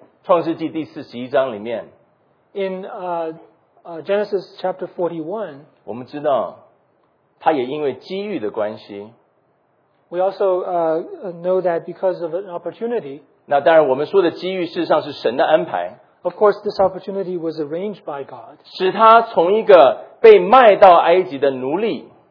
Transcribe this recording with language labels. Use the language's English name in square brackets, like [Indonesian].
[Chinese] 约瑟在创世纪第41章里面， [English] in Genesis chapter 41, [Chinese] 我们知道他也因为机遇的关系， [English] we also know that because of an opportunity. [Chinese] 那当然我们说的机遇事实上是神的安排。 [English] Of course, this opportunity was arranged by God. [Chinese] 使他从一个被卖到埃及的奴隶，